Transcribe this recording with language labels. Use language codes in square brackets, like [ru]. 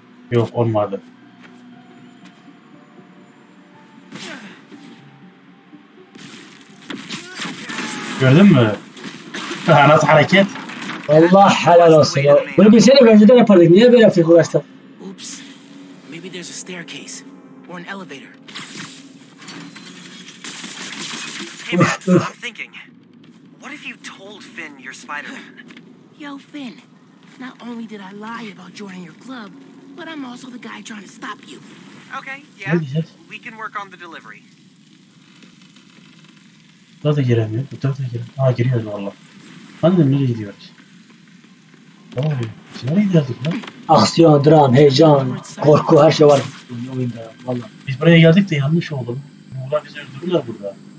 [tr] Yok olmadı. Gördün mü? Nasıl hareket? Allah helal olsun ya. Bunu bilseydi önceden yapardık. Niye böyle yaptık uğraştık? Oops. [en] Maybe there's a staircase or an elevator. Hey, Matt, I'm thinking. What if you told Finn you're Spider-Man? Yo, Finn. Not only did I lie about joining your club, but I'm also the guy trying to stop you. Okay, yeah. We can work on the delivery. [tr] Daha da giremiyor. Bu tarafa giremiyor. Aa giriyoruz valla. Annem nereye gidiyoruz? Abi, biz nereye giderdik lan? Aksiyon, dram, heyecan, korku her şey var. Oyunda valla. Biz buraya geldik de yanlış oldum. Bunlar bizi öldürürler burada.